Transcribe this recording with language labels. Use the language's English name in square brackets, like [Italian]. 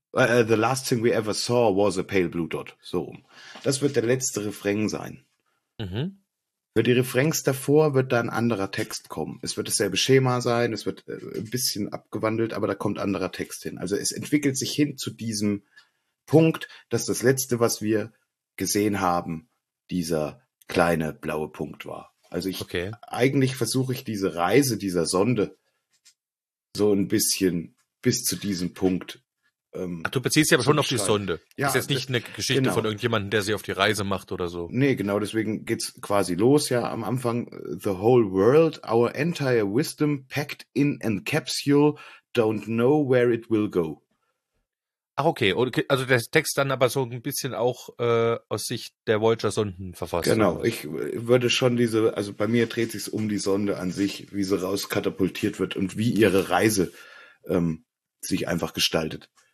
[English] The last thing we ever saw was a pale blue dot. [German] So rum. Das wird der letzte Refrain sein. Mhm. Für die Refrains davor wird da ein anderer Text kommen. Es wird dasselbe Schema sein, es wird ein bisschen abgewandelt, aber da kommt anderer Text hin. Also es entwickelt sich hin zu diesem Punkt, dass das Letzte, was wir gesehen haben, dieser kleine blaue Punkt war. Also ich, okay. Eigentlich versuche ich diese Reise dieser Sonde so ein bisschen bis zu diesem Punkt. Ach, du beziehst ja aber schon auf die Sonde. Ja, das ist jetzt nicht eine Geschichte genau. von irgendjemandem, der sie auf die Reise macht oder so. Nee, genau, deswegen geht's quasi los, ja, am Anfang. [English] The whole world, our entire wisdom packed in a capsule, don't know where it will go. [German] Ach, okay, also der Text dann aber so ein bisschen auch aus Sicht der Voyager-Sonden verfasst. Genau, ich würde schon diese, also bei mir dreht sich's um die Sonde an sich, wie sie rauskatapultiert wird und wie ihre Reise sich einfach gestaltet.